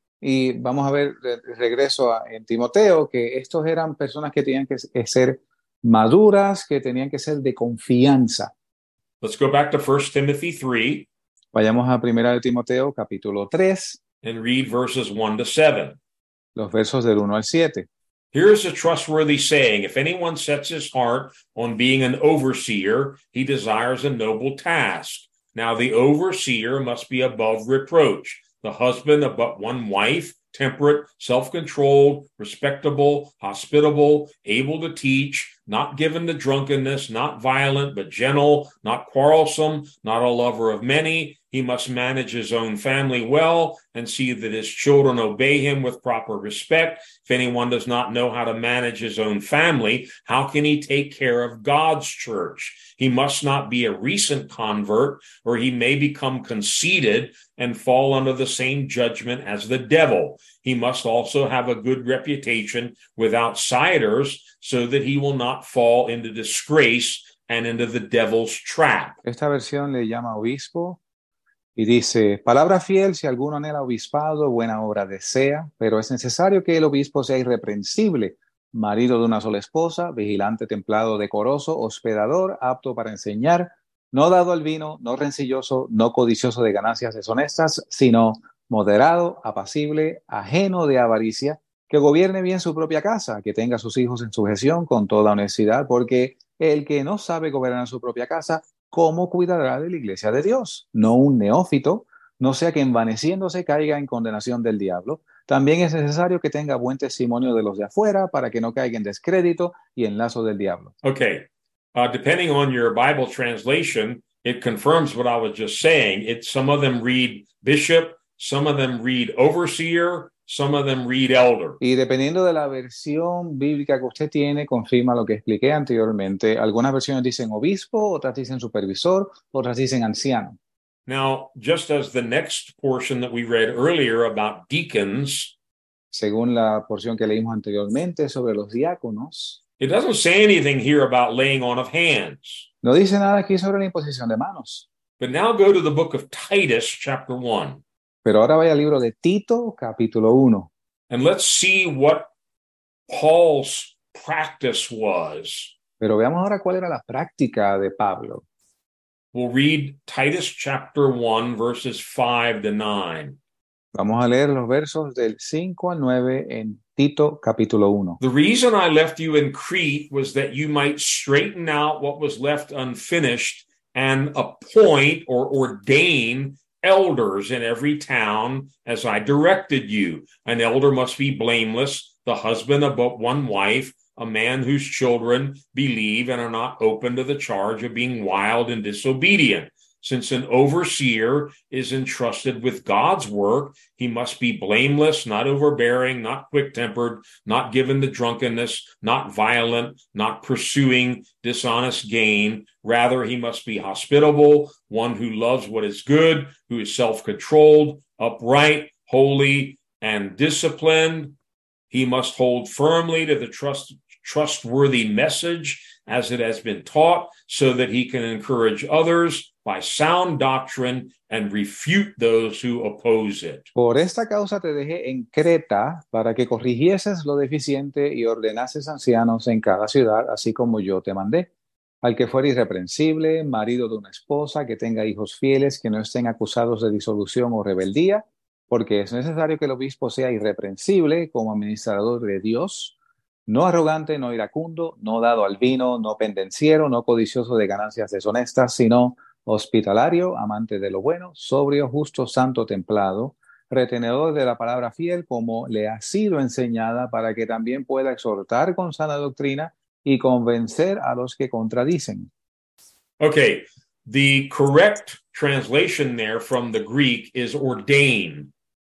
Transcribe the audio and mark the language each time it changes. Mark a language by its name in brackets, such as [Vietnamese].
[Spanish] Y vamos a ver, regreso en Timoteo, que estos eran personas que tenían que ser maduras, que tenían que ser de confianza. [English] Let's go back to 1 Timothy 3 [Spanish] Vayamos a Primera de Timoteo, capítulo 3, [English] and read verses 1 to 7. [Spanish] los versos del 1 al 7. [English] Here's a trustworthy saying. If anyone sets his heart on being an overseer, he desires a noble task. Now, the overseer must be above reproach, the husband of but one wife, temperate, self-controlled, respectable, hospitable, able to teach, not given to drunkenness, not violent, but gentle, not quarrelsome, not a lover of many. He must manage his own family well and see that his children obey him with proper respect. If anyone does not know how to manage his own family, how can he take care of God's church? He must not be a recent convert, or he may become conceited and fall under the same judgment as the devil. He must also have a good reputation with outsiders so that he will not fall into disgrace and into the devil's trap. [Spanish] Esta versión le llama obispo y dice, palabra fiel, si alguno anhela obispado, buena obra desea, pero es necesario que el obispo sea irreprensible, marido de una sola esposa, vigilante, templado, decoroso, hospedador, apto para enseñar, no dado al vino, no rencilloso, no codicioso de ganancias deshonestas, sino moderado, apacible, ajeno de avaricia, que gobierne bien su propia casa, que tenga a sus hijos en sujeción con toda honestidad, porque el que no sabe gobernar su propia casa, ¿cómo cuidará de la iglesia de Dios? No un neófito, no sea que envaneciéndose caiga en condenación del diablo. También es necesario que tenga buen testimonio de los de afuera para que no caiga en descrédito y en lazo del diablo. [English] Okay, depending on your Bible translation, it confirms what I was just saying. Some of them read bishop, some of them read overseer, Some of them read elder. [Spanish] Y dependiendo de la versión bíblica que usted tiene, confirma lo que expliqué anteriormente. Algunas versiones dicen obispo, otras dicen supervisor, otras dicen anciano. [English] Now, just as the next portion that we read earlier about deacons, [Spanish] según la porción que leímos anteriormente sobre los diáconos, [English] it doesn't say anything here about laying on of hands. [Spanish] No dice nada aquí sobre la imposición de manos. [English] But now go to the book of Titus, chapter 1. [Spanish] Pero ahora vaya al libro de Tito, capítulo 1. [English] And let's see what Paul's practice was. [Spanish] Pero veamos ahora cuál era la práctica de Pablo. [English] We'll read Titus chapter 1, verses 5 to 9. [Spanish] Vamos a leer los versos del 5 al 9 en Tito, capítulo 1. [English] The reason I left you in Crete was that you might straighten out what was left unfinished and appoint or ordain elders in every town as I directed you. An elder must be blameless, the husband of but one wife, a man whose children believe and are not open to the charge of being wild and disobedient. Since an overseer is entrusted with God's work, he must be blameless, not overbearing, not quick-tempered, not given to drunkenness, not violent, not pursuing dishonest gain. Rather, he must be hospitable, one who loves what is good, who is self-controlled, upright, holy, and disciplined. He must hold firmly to the trustworthy message as it has been taught, so that he can encourage others by sound doctrine and refute those who oppose it. [Spanish] Por esta causa te dejé en Creta para que corrigieses lo deficiente y ordenases ancianos en cada ciudad, así como yo te mandé. Al que fuera irreprensible, marido de una esposa, que tenga hijos fieles, que no estén acusados de disolución o rebeldía, porque es necesario que el obispo sea irreprensible como administrador de Dios, no arrogante, no iracundo, no dado al vino, no pendenciero, no codicioso de ganancias deshonestas, sino hospitalario, amante de lo bueno, sobrio, justo, santo, templado, retenedor de la palabra fiel como le ha sido enseñada, para que también pueda exhortar con sana doctrina y convencer a los que contradicen. [English] Okay, the correct translation there from the Greek is ordain.